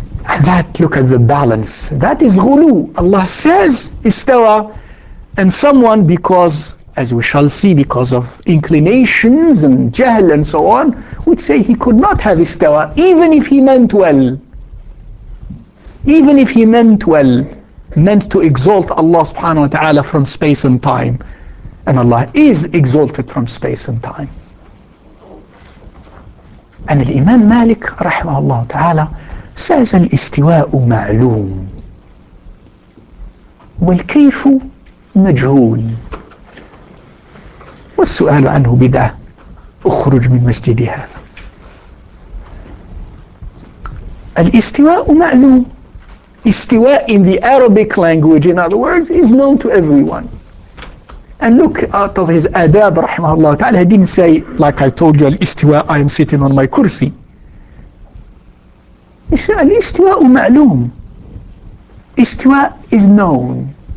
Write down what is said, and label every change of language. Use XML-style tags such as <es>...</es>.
<en>And that, look at the balance. That is ghulu. Allah says istawa, and someone, because, as we shall see, because of inclinations and jahl and so on, would say he could not have istawa, even if he meant well. Even if he meant well, meant to exalt Allah subhanahu wa ta'ala from space and time. And Allah is exalted from space and time. And Imam Malik, rahimahullah ta'ala, says</en> <ar>الاستواء معلوم والكيف مجهول والسؤال عنه بدعة اخرج من مسجدي هذا. الاستواء معلوم</ar> <en>Istiwa in the Arabic language, in other words, is known to everyone. And look, out of his adab, rahimahullah ta'ala, he didn't say, like I told you, al-istiwa, I am sitting on my kursi. He said, al-istiwa ma'loom. Istiwa is known.</en>